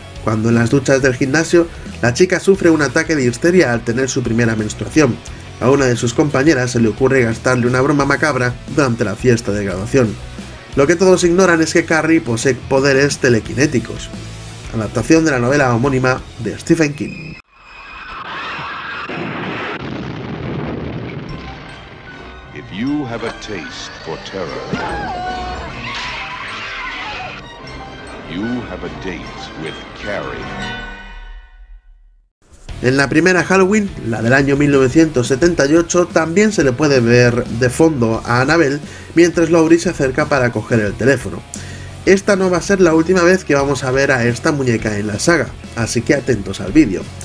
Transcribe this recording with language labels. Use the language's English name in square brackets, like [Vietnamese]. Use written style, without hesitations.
[Spanish] cuando en las duchas del gimnasio la chica sufre un ataque de histeria al tener su primera menstruación. A una de sus compañeras se le ocurre gastarle una broma macabra durante la fiesta de graduación. Lo que todos ignoran es que Carrie posee poderes telequinéticos. Adaptación de la novela homónima de Stephen King. [English] If you have a taste for terror, you have a date with Carrie. [Spanish] En la primera Halloween, la del año 1978, también se le puede ver de fondo a Annabelle mientras Laurie se acerca para coger el teléfono. Esta no va a ser la última vez que vamos a ver a esta muñeca en la saga, así que atentos al vídeo.